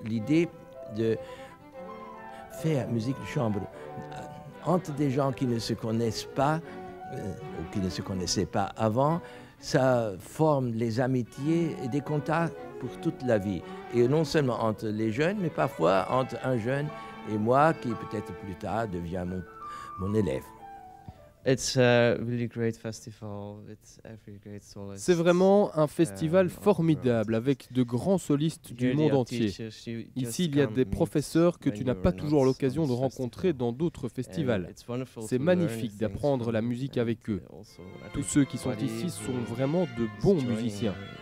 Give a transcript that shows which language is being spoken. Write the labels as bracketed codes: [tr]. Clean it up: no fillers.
[fr] L'idée de faire musique de chambre entre des gens qui ne se connaissent pas ou qui ne se connaissaient pas avant, ça forme les amitiés et des contacts pour toute la vie. Et non seulement entre les jeunes, mais parfois entre un jeune et moi, qui peut-être plus tard devient mon élève. [en] It's a really great festival with every great soloist. [fr] C'est vraiment un festival formidable, avec de grands solistes du monde entier. Ici, il y a des professeurs que tu n'as pas toujours l'occasion de rencontrer dans d'autres festivals. C'est magnifique d'apprendre la musique avec eux. Tous ceux qui sont ici sont vraiment de bons musiciens.